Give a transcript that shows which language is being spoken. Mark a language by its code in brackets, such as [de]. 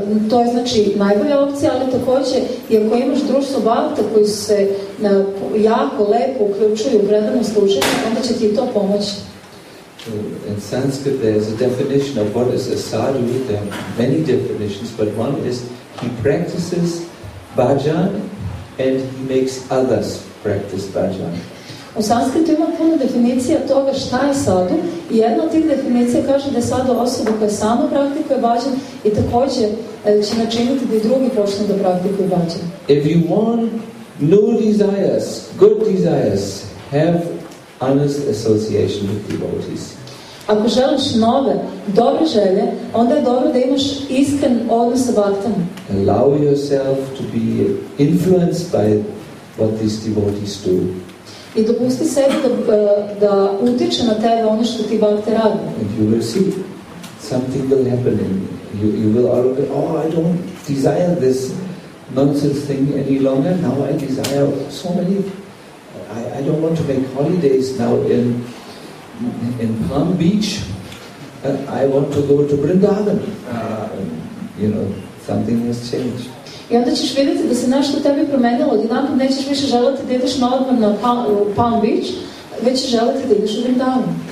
[sr] To je znači najbolja opcija, ali takođe i ako imaš društvo bhakta koji se jako lepo uključuju u predano služenje, onda će ti to pomoći. [en] In Sanskrit there is a definition of what is a sadhu. There are many definitions, but one is he practices bhajan and he makes others practice bhajan. [sr] U Sanskritu ima puno definicija toga šta je sadhu. I jedna od tih definicija kaže da je sadhu osoba koja samo praktikuje bhajan i takođe će načiniti da i drugi počnu da praktikuju bhajan. [en] If you want new desires, good desires, have honest association with devotees. [sr] Ako želiš nove, dobre želje, onda je dobro da imaš iskren odnos sa bhaktama. [en] Allow yourself to be influenced by what these devotees do. [sr] I dopusti sebi da utiče na tebe ono što ti bhakte rade. [en] And you will see, something will happen in you. You will argue, oh, I don't desire this nonsense thing any longer. Now I desire so many. I don't want to make holidays now in Palm Beach, and I want to go to Vrindavan. You know, something has changed. [sr] I onda ćeš vidjeti da se nešto tebi promenilo. Odjednom nećeš više želiti da ideš na odmor na Palm Beach, već ćeš želiti da ideš u Vrindavan.